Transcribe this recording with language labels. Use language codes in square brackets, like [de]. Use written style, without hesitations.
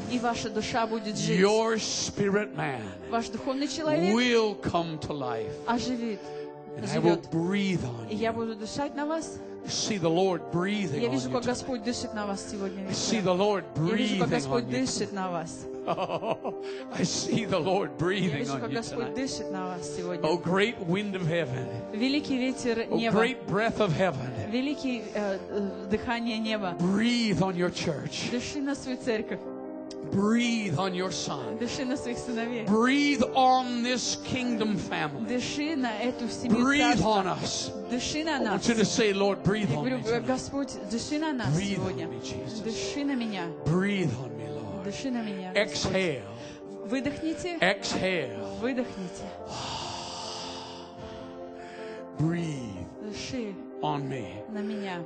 [ru] И ваша душа будет жить. [en] Your spirit man. [ru] Ваш духовный человек. [en] Will come to life. [ru] Оживет. [en] And I will breathe on you. [ru] Я буду дышать на вас. [en] See the Lord breathing on you. [ru] Я вижу, как Господь дышит на вас сегодня. [en] I see the Lord breathing on you. [ru] Я вижу, как Господь дышит на вас. [en] Oh, I see the Lord breathing on you tonight. Oh, great wind of heaven. [ru] Великий ветер неба. [en] Oh, great breath of heaven. [ru] Великий дыхание неба. [en] Breathe on your church. [ru] Дыши на свою церковь. [en] Breathe on your son. [ru] Дыши на своих сыновей. [en] Breathe on this kingdom family. [ru] Дыши на эту семью. [en] Breathe on us. [ru] Дыши на нас. [en] I want you to say, Lord, breathe on me. [ru] Я говорю, Господь, дыши на нас сегодня. Дыши на меня. [en] Breathe on me, Lord. [ru] Дыши на меня. [en] Exhale. [ru] Выдохните. [en] Exhale. [ru] Выдохните. [en] Breathe. [ru] Дыши. [en] On me. [ru] На меня.